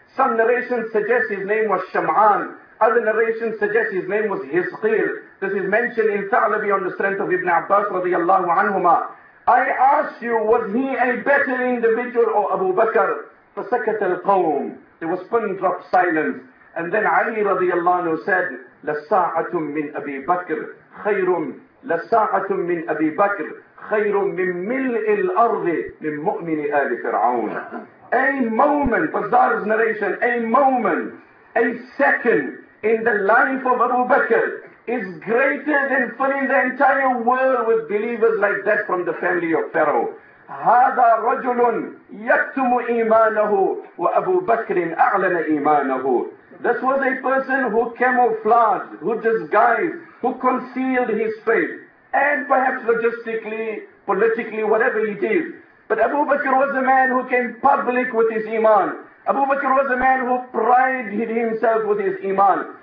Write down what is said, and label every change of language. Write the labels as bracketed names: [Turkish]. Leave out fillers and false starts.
[English] Some narrations suggest his name was Shama'an. Other narrations suggest his name was Hizqir. This is mentioned in Thalabi on the strength of Ibn Abbas radiallahu anhuma. I ask you, was he a better individual or Abu Bakr? [Arabic] فَسَكَتَ الْقَوْمِ. [English] There was pin drop silence. And then Ali radiallahu anhu said, [Arabic] لَسَّاعَةٌ مِّنْ أَبِي بَكْرٍ خَيْرٌ لَسَّاعَةٌ مِّنْ أَبِي بَكْرٍ خَيْرٌ مِّنْ مِلْءِ الْأَرْضِ مِنْ مُؤْمِنِ آلِ فِرْعَوْنَ. [English] A moment, Bazar's narration, a moment, a second in the life of Abu Bakr is greater than filling the entire world with believers like that from the family of Pharaoh. [Arabic] هذا رجل يكتم إيمانه وأبو بكر أعلن إيمانه. [English] This was a person who camouflaged, who disguised, who concealed his faith. And perhaps logistically, politically, whatever he did. But Abu Bakr was a man who came public with his iman. Abu Bakr was a man who prided himself with his iman.